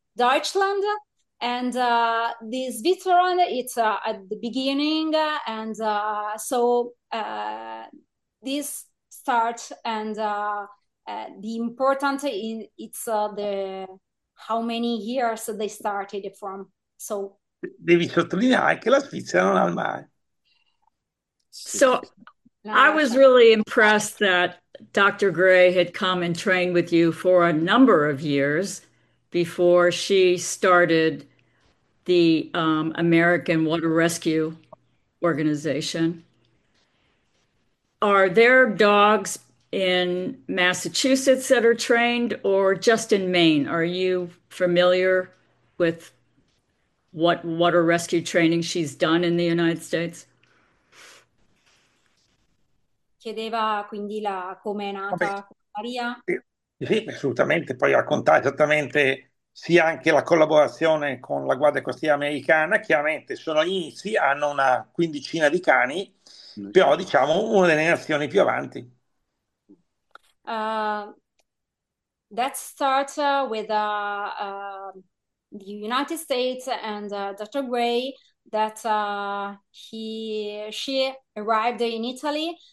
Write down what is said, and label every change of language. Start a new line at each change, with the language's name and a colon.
English: Deutschland, and the Switzerland, it's at the beginning, and so this start, and the important in it's the how many years they started from, so.
Italian: Devi sottolineare che la Svizzera non ha il mare.
English: So,
Italian: Sì.
English: I was really impressed that Dr. Gray had come and trained with you for a number of years before she started the American Water Rescue Organization. Are there dogs in Massachusetts that are trained, or just in Maine? Are you familiar with what water rescue training she's done in the United States?
Italian: Chiedeva quindi com'è nata Maria. Sì, assolutamente. Poi raccontare esattamente sia anche la collaborazione con la Guardia Costiera americana. Chiaramente sono gli inizi, hanno una quindicina di cani, però diciamo una delle nazioni più avanti.
English: That starts with the United States and Dr. Gray, that she arrived in Italy.